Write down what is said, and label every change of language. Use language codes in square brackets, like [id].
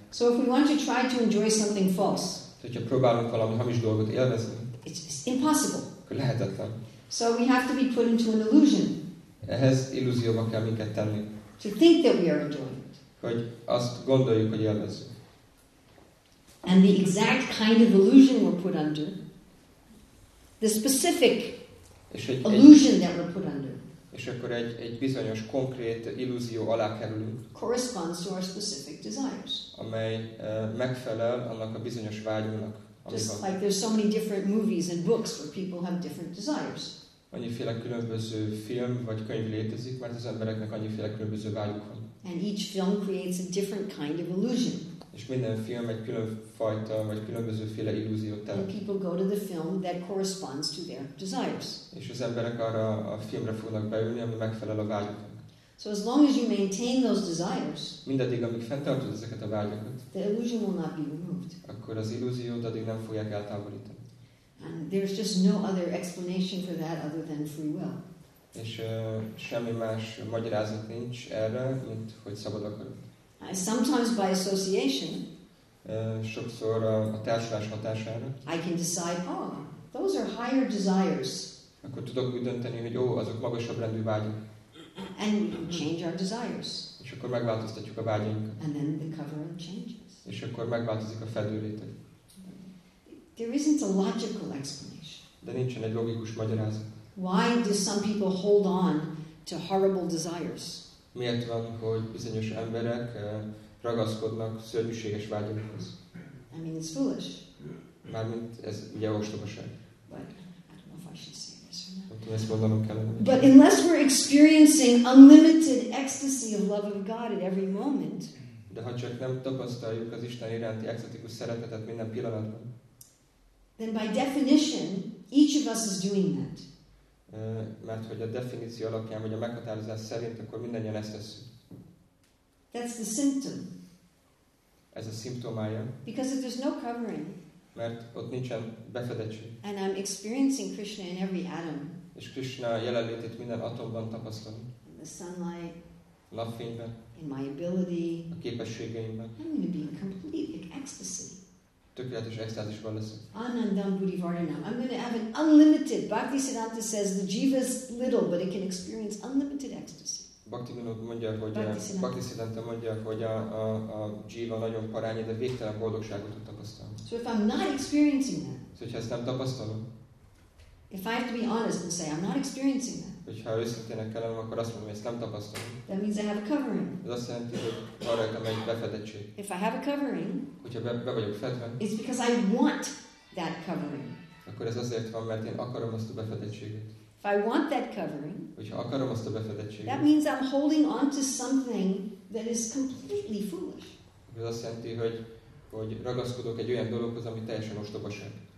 [en] So if we want to try to enjoy something false, [hu] hogyha próbálunk valami hamis dolgot élvezni, [en] it's impossible. [hu] Akkor lehetetlen. [en] So we have to be put into an illusion. [hu] Ehhez illúzióba kell minket tenni. [en] To think that we are enjoying it. [hu] Hogy azt gondoljuk, hogy élvezünk. [en] And the exact kind of illusion we're put under, the specific illusion that we're put under, [hu] és akkor egy bizonyos konkrét illúzió alá kerülünk, [en] corresponds to our specific desires, [hu] amely megfelel annak a bizonyos vágyunknak. [en] Just like there's so many different movies and books where people have different desires. [hu] Annyiféle különböző film vagy könyv létezik, mert az embereknek annyiféle különböző vágyuk van. [en] And each film creates a different kind of illusion. [hu] És minden film egy különfajta, vagy különbözőféle illúziót teremt. [en] And people go to the film that corresponds to their desires. [hu] És az emberek arra a filmre fognak beülni, ami megfelel a vágyaknak. [en] So as long as you maintain those desires, [hu] mindaddig, amíg fenntartod ezeket a vágyakat, [en] the illusion will not be removed. [hu] Akkor az illúziót addig nem fogják eltávolítani. [en] And there's just no other explanation for that other than free will. [hu] És semmi más magyarázat nincs erre, mint hogy szabad akarod. [en] Sometimes by association, [hu] sokszor a társulás hatására, [en] I can decide, oh, those are higher desires. [hu] Akkor tudok úgy dönteni, hogy ó, azok magasabb rendű vágyak. [en] And change our desires. [hu] És akkor megváltoztatjuk a vágyainkat. [en] And then the covering changes. [hu] És akkor megváltozik a fedőréteg. [en] There isn't a logical explanation. [hu] De nincsen egy logikus magyarázat. [en] Why do some people hold on to horrible desires? [hu] Miért van, hogy bizonyos emberek ragaszkodnak szörnyűséges vágyakhoz? [en] I mean, it's foolish. [hu] Mármint ez ugye ostobaság. [en] But I don't know if I should say this or not. But unless we're experiencing unlimited ecstasy of love of God at every moment, [hu] de ha csak nem tapasztaljuk az Isten iránti ekstatikus szeretetet minden pillanatban, [en] then by definition, each of us is doing that. [hu] Mert hogy a definíció alapján, vagy a meghatározás szerint, akkor mindannyian ezt tesszük. [en] That's the symptom. [hu] Ez a szimptomája. [en] Because if there's no covering, [hu] mert ott nincsen befedettség. [en] And I'm experiencing Krishna in every atom. [hu] És Krishna jelenlétét minden atomban tapasztalom. [en] In the sunlight. [hu] A napfényben. [en] In my ability. [hu] A képességeimben. [en] I'm going to be in complete ecstasy. [hu] Tökéletes extázisban leszek. [sa] Anandam Buddhivarinam. [en] I'm going to have an unlimited. Bhakti Siddhanta says the jiva is little, but it can experience unlimited ecstasy. [hu] Bhakti Siddhanta mondja, hogy a jiva nagyon parányi, de végtelen boldogságot tud tapasztalni. [en] So if I'm not experiencing that. [hu] Szóval, ha ezt nem tapasztalom. [en] If I have to be honest and say I'm not experiencing that. [hu] Hogyha őszintének kellene, akkor azt mondom, hogy ezt nem tapasztalom. [en] That means I have a covering. [hu] Ez azt jelenti, hogy arra jöttem egy befedettség. [en] If I have a covering, [hu] hogyha be vagyok fedve, [en] it's because I want that covering. [hu] Akkor ez azért van, mert én akarom azt a befedettséget. [en] If I want that covering, [hu] hogyha akarom azt a befedettséget, [en] that means I'm holding on to something that is completely foolish. [hu] Ez azt jelenti, hogy ragaszkodok egy olyan dologhoz, ami teljesen ostobaság.